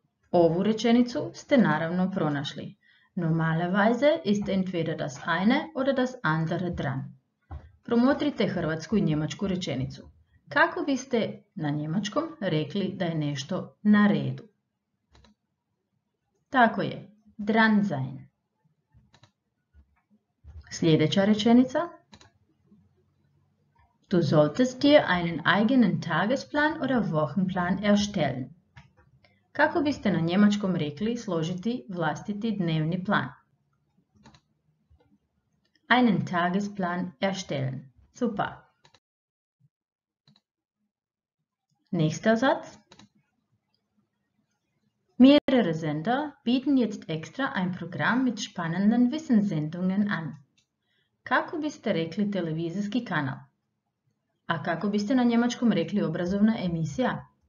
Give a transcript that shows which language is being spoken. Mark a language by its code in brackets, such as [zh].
[hr] Ovu rečenicu ste naravno pronašli. [de] Normalerweise ist entweder das eine oder das andere dran. [hr] Promotrite hrvatsku i njemačku rečenicu. Kako biste na njemačkom rekli da je nešto na redu? Tako je, [de] dran sein. [hr] Sljedeća rečenica. [de] Du solltest dir einen eigenen Tagesplan oder Wochenplan erstellen. [hr] Kako biste na njemačkom rekli složiti vlastiti dnevni plan? [de] Einen Tagesplan erstellen. Super. Nächster Satz. Mehrere Sender bieten jetzt extra ein Programm mit spannenden Wissenssendungen an. [hr] Kako biste rekli televizijski kanal? A kako biste na njemačkom rekli obrazovna emisija?